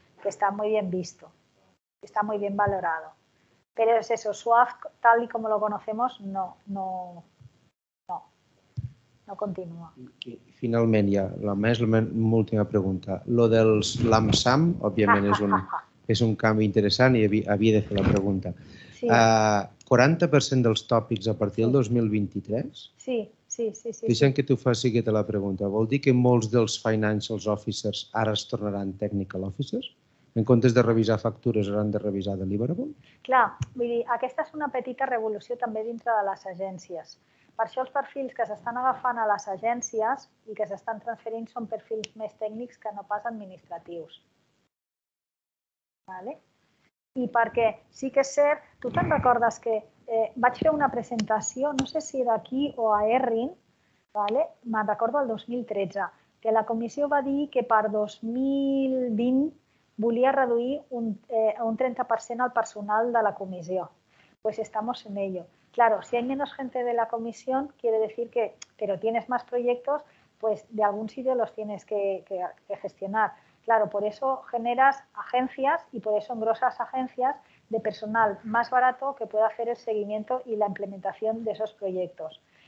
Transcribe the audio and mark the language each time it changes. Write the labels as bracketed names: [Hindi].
[Spanish] Que está muy bien visto, está muy bien valorado. Pero es eso, SWAF tal y como lo conocemos, no continúa. Y finalmente ya la última pregunta, lo del LAMSAM, obviamente es un cambio interesante y había de hacer la pregunta. Sí. [Catalan] 40% dels tòpics a partir del 2023? Sí. Deixem que t'ho faci aquesta la pregunta. Vol dir que molts dels financial officers ara es tornaran technical officers? En comptes de revisar factures, hauran de revisar deliverable? Clar, vull dir, aquesta és una petita revolució també dintre de les agències. Per això els perfils que s'estan agafant a les agències i que s'estan transferint són perfils més tècnics que no pas administratius. Vale? I perquè sí que és cert, tu te'n recordes que vaig fer una presentació, no sé si era aquí o a Erin, ¿vale? Me'n recordo el 2013, que la comissió va dir que per 2020 volia reduir un 30% al personal de la comissió. [Spanish] Pues estamos en ello. Claro, si hay menos gente de la comisión, quiere decir que, pero tienes más proyectos, pues de algún sitio los tienes que gestionar. Claro, por eso generas agencias y por eso engrosas agencias de personal más barato que pueda hacer el seguimiento y la implementación de esos proyectos.